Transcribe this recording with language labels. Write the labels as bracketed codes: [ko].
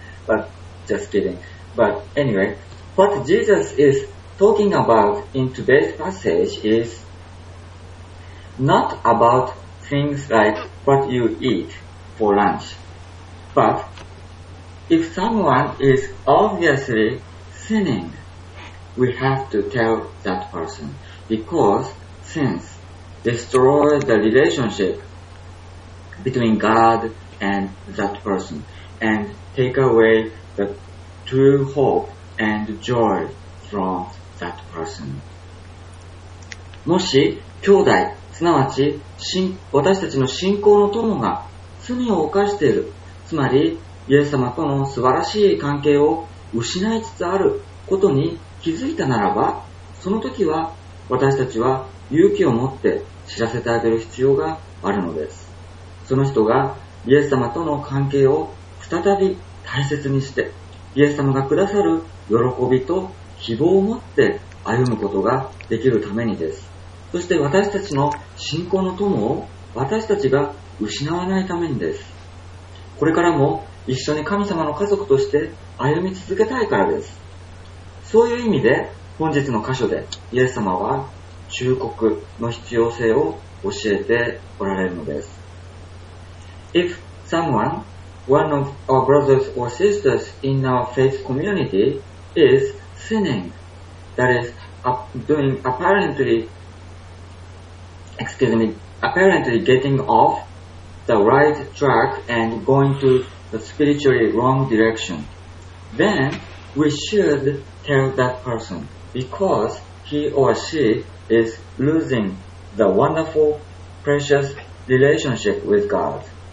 [en] But just kidding. But anyway, what Jesus is talking about in today's passage is not about things like what you eat for lunch, but if someone is obviously sinning, we have to tell that person, because sins destroy the relationship between God and that person and take away the true hope and joy from that person. [ja] もし兄弟、すなわち私たちの信仰の友が罪を犯している、つまりイエス様との素晴らしい関係を失いつつあることに気づいたならば、その時は私たちは勇気を持って知らせてあげる必要があるのです。その人がイエス様との関係を再び大切にして、イエス様がくださる喜びと希望を持って歩むことができるためにです。そして私たちの信仰の友を私たちが失わないためにです。これからも一緒に神様の家族として歩み続けたいからです。そういう意味で本日の箇所でイエス様は忠告の必要性を教えておられるのです。 [en] If someone, one of our brothers or sisters in our faith community, is sinning, that is doing apparently getting off the right track and going to the spiritually wrong direction, then we should tell that person, because he or sheis losing the wonderful, precious relationship with God.